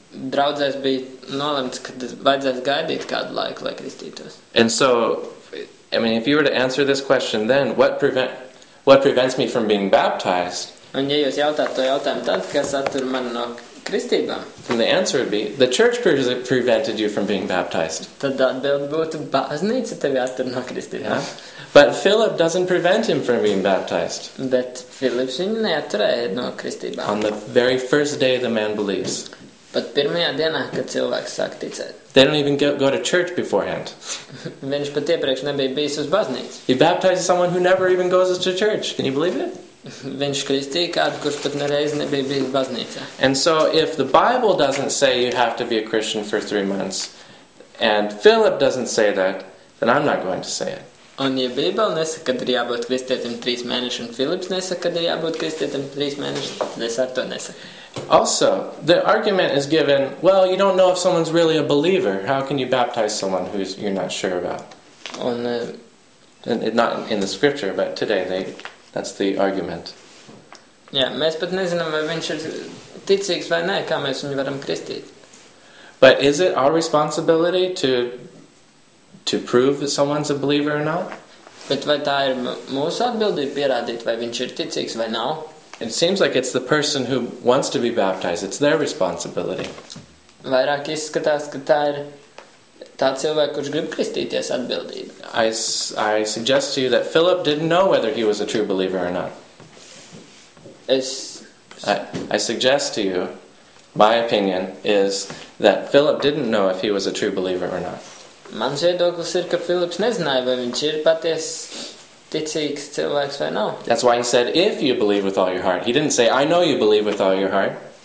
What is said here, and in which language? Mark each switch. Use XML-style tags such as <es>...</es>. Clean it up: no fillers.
<lv>Draudzēs bija nolemts, ka vajadzēs gaidīt kādu laiku, lai kristītos.</lv> <en>And so, I mean, if you were to answer this question then, what prevents me from being baptized?</en> <lv>Un ja jūs jautāt to jautājumu tad, kas attur mani no kristībām?</lv> <en>Then the answer would be, the church prevented you from being baptized.</en> <lv>Tad atbildi būtu, baznīca tevi attur no kristībām.</lv> <en>But Philip doesn't prevent him from being baptized.</en> <lv>Bet Philips viņu neaturēja no kristībām.</lv> <en>On the very first day the man believes.</en> <lv>Pat pirmajā dienā, kad cilvēks sāk ticēt.</lv> <en>They don't even go to church beforehand.</en> <lv>Viņš pat iepriekš nebija bijis uz baznīcu.</lv> <en>He baptizes someone who never even goes to church. Can you believe it?</en> <lv>Viņš kristīja kādu, kurš pat nereiz nebija bijis baznīcā.</lv> <en>And so if the Bible doesn't say you have to be a Christian for 3 months, and Philip doesn't say that, then I'm not going to say it.</en> <lv>Un ja Bībele nesaka, kad ir jābūt kristietim 3 mēneši, un Philips nesaka, kad ir jābūt kristietim 3 mēneši, tad es ar to nesaku.</lv> <en>Also, the argument is given, well, you don't know if someone's really a believer. How can you baptize someone who you're not sure about?</en> <lv>Un</lv> <en>Not in the scripture, but today that's the argument.</en> <lv>Jā, mēs pat nezinām, vai viņš ir ticīgs vai nē, kā mēs viņu varam kristīt.</lv> <en>But is it our responsibility to prove that someone's a believer or not?</en> <lv>Bet vai tā ir mūsu atbildība pierādīt, vai viņš ir ticīgs vai nav?</lv> <en>It seems like it's the person who wants to be baptized. It's their responsibility.</en> <lv>Vairāk izskatās, ka tā ir tā cilvēka, kurš grib kristīties atbildība.</lv> <en>I suggest to you that Philip didn't know whether he was a true believer or not. I suggest to you, my opinion is that Philip didn't know if he was a true believer or not.</en> <lv>Mans viedoklis ir, ka Philips nezināja, vai viņš ir paties ticīgs cilvēks vai nav.</lv> <en>That's why he said, if you believe with all your heart. He didn't say, I know you believe with all your heart.</en>